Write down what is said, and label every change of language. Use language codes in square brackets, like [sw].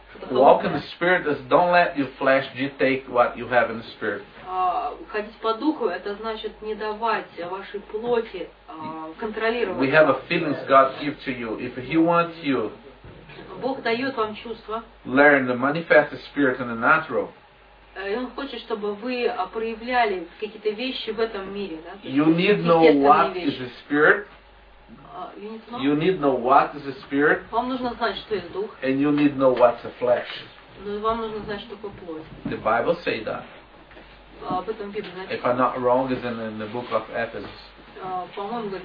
[en] Walk in the spirit is don't let your flesh dictate what you have in the spirit. [ru] Ходить по духу это значит не давать вашей плоти контролировать. [en] We have a feelings God gives to you. If He wants you, [ru] Бог дает вам чувства. [en] Learn to manifest the spirit in the natural. [ru] И Он хочет, чтобы вы проявляли какие-то вещи в этом мире, да? [en] You need know what is the spirit. You need know what is the spirit. [ru] Вам нужно знать, что есть дух. [en] And you need know what's the flesh. [ru] Но вам нужно знать, что такое плоть. [en] The Bible say that. If I'm not wrong, it's in the book of Ephesians.